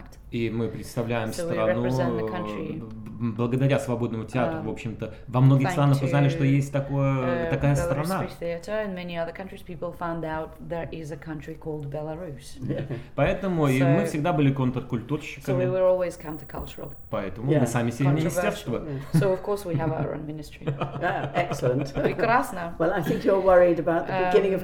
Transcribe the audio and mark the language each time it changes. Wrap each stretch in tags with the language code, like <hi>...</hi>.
<ru>И мы представляем страну благодаря свободному театру, в общем-то, во многих странах узнали, что есть такая страна.</ru> <en>Theater and many other countries people found out there is a country called Belarus.</en> <ru>Поэтому и мы всегда были контркультурщиками.</ru> <en>So we were always countercultural.</en> <ru>Поэтому мы сами себе министерство.</ru> <en>So of course we have our own ministry. Excellent.</en> <ru>Прекрасно.</ru> <en>Well, I think you're worried about the beginning of</en>